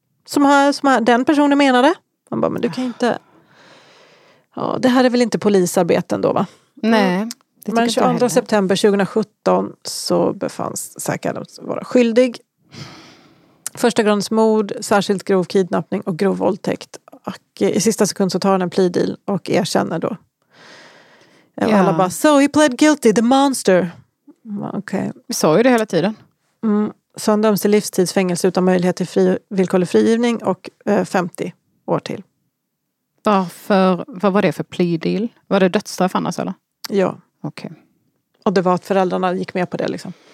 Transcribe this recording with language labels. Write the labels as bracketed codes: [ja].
[sv] Som den personen menade. Han bara, men du kan inte... Ja, det här är väl inte polisarbeten då, va? Nej. Men 22 september 2017 så befanns säkert att vara skyldig. Första grads mord, särskilt grov kidnappning och grov våldtäkt. Och i sista sekund så tar han en plea deal och erkänner då. Och alla bara, [en] so he pled guilty, the monster. [sv] Okej. Vi sa ju det hela tiden. Mm. Så han döms till livstidsfängelse utan möjlighet till villkorlig frigivning och 50 år till. Varför? Vad var det för plea deal? Var det dödsstraff annars eller? Ja. Okej. [en] Okay. [sv] Och det var att föräldrarna gick med på det liksom.